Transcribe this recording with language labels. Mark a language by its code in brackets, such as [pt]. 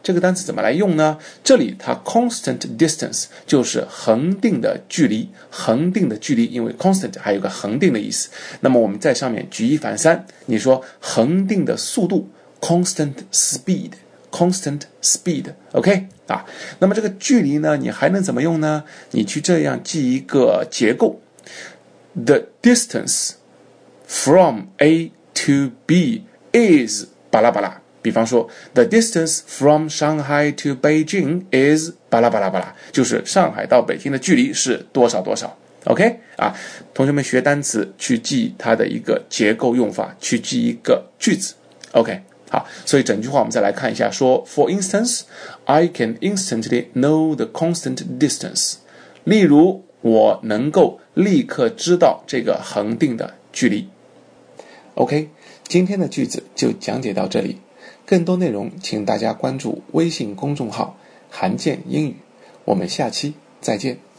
[zh] 这个单词怎么来用呢？这里它 [en] constant distance [zh] 就是恒定的距离，恒定的距离，因为 constant 还有个恒定的意思。那么我们在上面举一反三，你说恒定的速度 [en] constant speed, constant speed, [zh] OK? 啊，那么这个距离呢，你还能怎么用呢？你去这样记一个结构 ， [en] the distance from A to B is [zh] 巴拉巴拉。比方说 ， [en] the distance from Shanghai to Beijing is [zh] 巴拉巴拉巴拉，就是上海到北京的距离是多少多少。 OK 啊，同学们学单词去记它的一个结构用法，去记一个句子。 OK。好，所以整句话我们再来看一下，说 [en] For instance, I can instantly know the constant distance. [zh] 例如我能够立刻知道这个恒定的距离。 OK, 今天的句子就讲解到这里，更多内容请大家关注微信公众号韩健英语，我们下期再见。